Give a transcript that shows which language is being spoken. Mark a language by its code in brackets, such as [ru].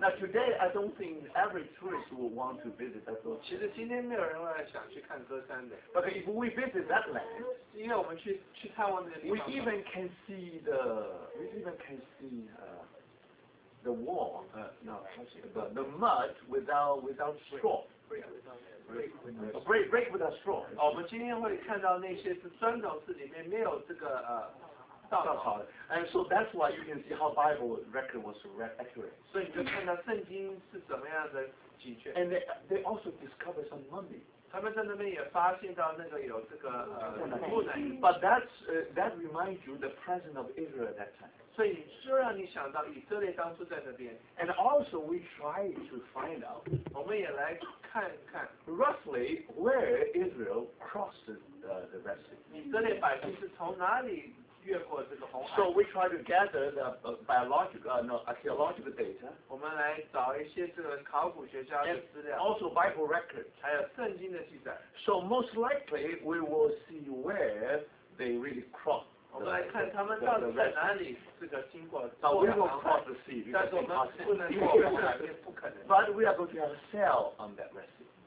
[en] Now today, I don't think every tourist will want to visit that place. [zh] 其实今天没有人会想去看高山的。 [en] But if we visit that land, [zh] 因为我们去探望那个地方 [en] ，we even can see the wall, the mud without straw. break with a straw、哦。 [zh] 我们今天会看到那些是砖头是里面没有这个稻草的。 [en] And so that's why you can see how Bible record was accurate. [zh] 所以你就看到圣经是怎么样的准确。 [en] And they also discovered some mummy. [zh] 他们在那边也发现到那个有这个木乃伊。 [en] But that's、that reminds you the presence of Israel at that time. [zh] 所以这让你想到以色列当初在那边。 [en] And also we try to find out. [zh] 我们也来看看 [en] roughly where Israel crossed the Red Sea. [zh] 以色列百姓是从哪里越过这个红海 [en] ？So we try to gather the archaeological data. [zh] 我们来找一些这个考古学家的资料。 [en] Also Bible records, [zh] 还有圣经的记载。 [en] So most likely we will see where they really cross. [zh] 我们来看他们到底在哪里这个经过。 [en] But we will cross the sea. [zh] 但是我们不能过红海，也不可能。 [en] But we are going to have sail on that Red Sea.